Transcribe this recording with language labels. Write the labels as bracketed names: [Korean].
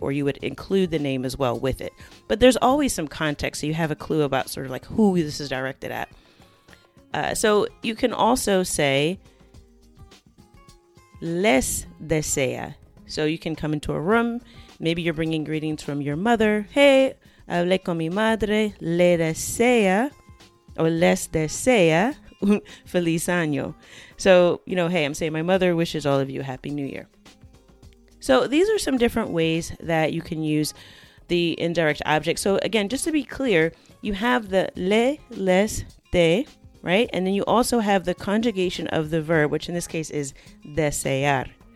[English] Or you would include the name as well with it. But there's always some context, so you have a clue about sort of like who this is directed at. So you can also say, [Spanish] les desea. [English] So you can come into a room. Maybe you're bringing greetings from your mother. [Spanish] Hey, hablé con mi madre. Le desea o les desea feliz año. [English] So, you know, hey, I'm saying my mother wishes all of you a Happy New Year. So these are some different ways that you can use the indirect object. So again, just to be clear, you have the le, les, de, right? And then you also have the conjugation of the verb, which in this case is desear.